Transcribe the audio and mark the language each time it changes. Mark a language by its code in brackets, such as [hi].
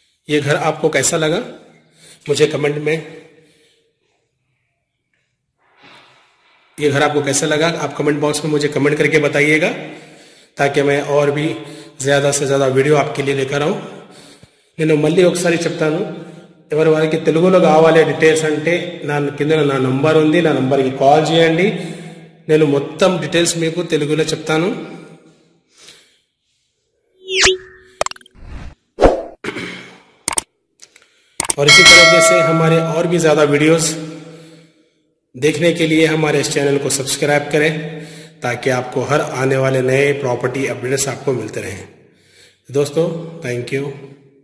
[hi] ये घर आपको कैसा लगा मुझे कमेंट में, ये घर आपको कैसा लगा आप कमेंट बॉक्स में मुझे कमेंट करके बताइएगा, ताकि मैं और भी ज्यादा से ज्यादा वीडियो आपके लिए लेकर आऊं। [te] నేను మళ్ళీ ఒకసారి చెప్తాను, ఎవరి వారికి తెలుగులో కావాలే డీటెయిల్స్ అంటే నా కింద నా నంబర్ ఉంది, నా నంబర్కి కాల్ చేయండి, నేను మొత్తం డీటెయిల్స్ మీకు తెలుగులో చెప్తాను। [hi] और इसी तरीके से हमारे और भी ज़्यादा वीडियोस देखने के लिए हमारे इस चैनल को सब्सक्राइब करें, ताकि आपको हर आने वाले नए प्रॉपर्टी अपडेट्स आपको मिलते रहें। दोस्तों थैंक यू।